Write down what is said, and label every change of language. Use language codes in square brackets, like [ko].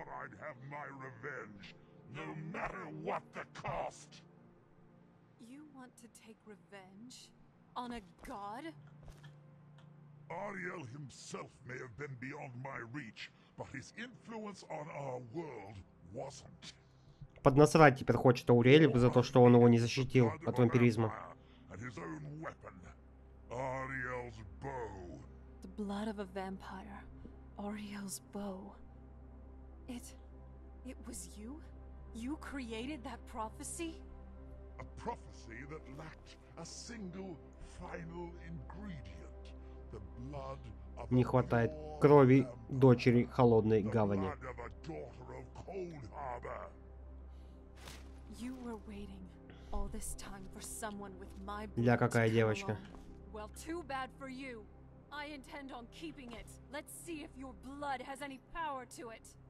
[en] I'd have my revenge, no matter what the cost. You want to take revenge on a god? Ariel himself may have been beyond my reach, but his influence on our world wasn't. [ru] Поднасрать теперь хочет Ауриэль за то, что он его не защитил от вампиризма. [en] The blood of a vampire, Ariel's bow. It was you? You created that prophecy? A prophecy that lacked a single final ingredient. The blood of [ru] не хватает крови дочери холодной гавани. [en] You were waiting all this time for someone with my blood. [ru] Для какая девочка? [en] Well, too bad for you. I intend on keeping it. Let's see if your blood has any power to it.